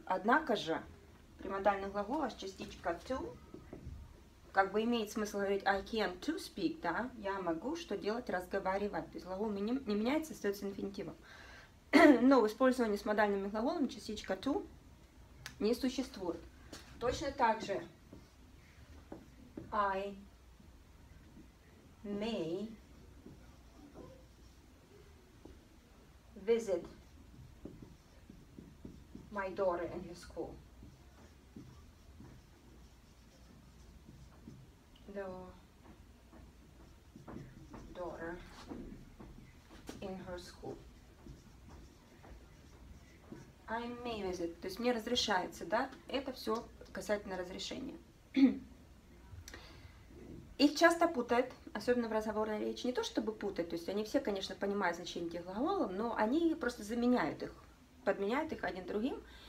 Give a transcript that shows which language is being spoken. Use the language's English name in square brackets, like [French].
[Russian] Однако же при модальных глаголах частичка to как бы имеет смысл говорить I can to speak, да? Я могу что делать? Разговаривать. То есть глагол не меняется, остается инфинитивом. Но в использовании с модальными глаголами частичка to не существует. Точно так же I may visit my daughter in her school. [English] The daughter in her school. I may visit. [Russian] То есть мне разрешается, да? Это все касательно разрешения. Их часто путают, особенно в разговорной речи, не то чтобы путать, то есть они все, конечно, понимают значение этих глаголов, но они просто заменяют их, подменяют их один другим.